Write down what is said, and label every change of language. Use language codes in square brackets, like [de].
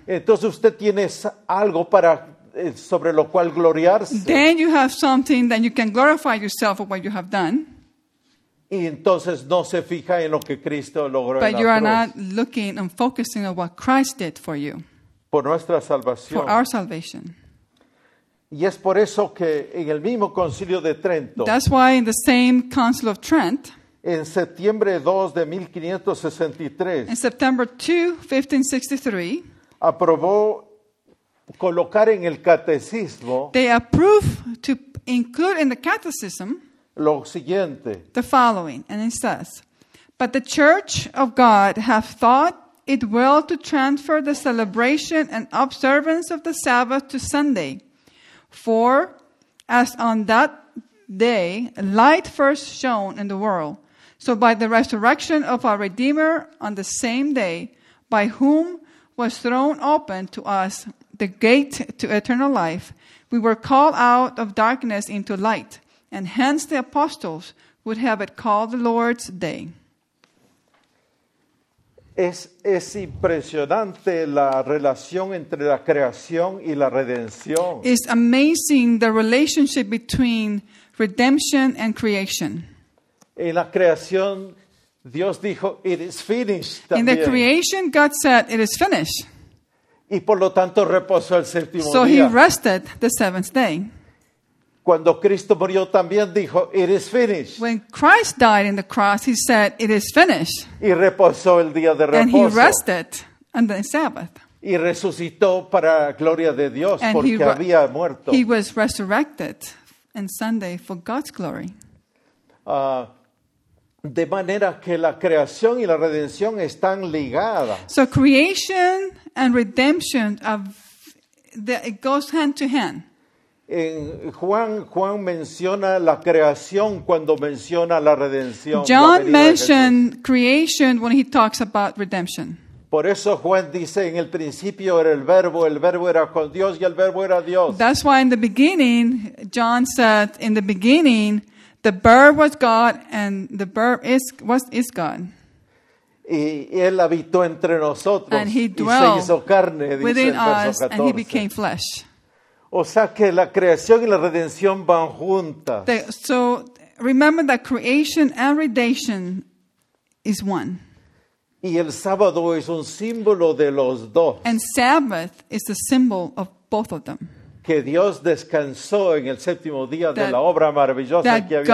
[es] Entonces usted tiene algo para sobre lo cual gloriarse. [en] Then you have something that you can glorify yourself of what you have done. [es] Y entonces no se fija en lo que Cristo logró en la cruz. [en] But you are not looking and focusing on what Christ did for you. [es] Por nuestra salvación. [en] For our salvation. [es] Y es por eso que en el mismo Concilio de Trento. [en] That's why in the same Council of Trent. [es] En septiembre 2 de 1563. [en] In September 2, 1563. [es] Aprobó colocar en el catecismo. [en] They approved to include in the catechism. [es] Lo siguiente. [en] The following, and it says, but the Church of God hath thought it well to transfer the celebration and observance of the Sabbath to Sunday, for as on that day light first shone in the world, so by the resurrection of our Redeemer on the same day, by whom was thrown open to us the gate to eternal life, we were called out of darkness into light. And hence the apostles would have it called the Lord's Day. [es] Es impresionante la relación entre la creación y la redención. [en] It's amazing the relationship between redemption and creation. [es] En la creación, Dios dijo, [en] it is finished. In the creation, God said, it is finished. [es] Y por lo tanto reposó el séptimo día. [en] So he rested the seventh day. [es] Cuando Cristo murió también dijo, [en] it is finished. When Christ died in the cross, he said, it is finished. [es] Y reposó el día de reposo. [en] And he rested on the Sabbath. [es] Y resucitó para gloria de Dios [en] and [es] porque había muerto. [en] He was resurrected on Sunday for God's glory. [es] De manera que la creación y la redención están ligadas. [en] So creation and redemption, it goes hand to hand. [es] En Juan menciona la creación cuando menciona la redención. [en] John mentioned creation when he talks about redemption. [es] Por eso Juan dice, en el principio era el verbo era con Dios y el verbo era Dios. [en] That's why in the beginning, John said, in the beginning, the verb was God and the verb is God. [es] Y él habitó entre nosotros. [en] And he dwelt [es] y se hizo carne, [en] within [es] dice el verso [en] 14. Us and he became flesh. [es] O sea que la creación y la redención van juntas. [en] So remember that creation and redemption is one. [es] Y el sábado es un símbolo de los dos. [en] And Sabbath is the symbol of both of them. [es] Que Dios descansó en el séptimo día de la obra maravillosa que había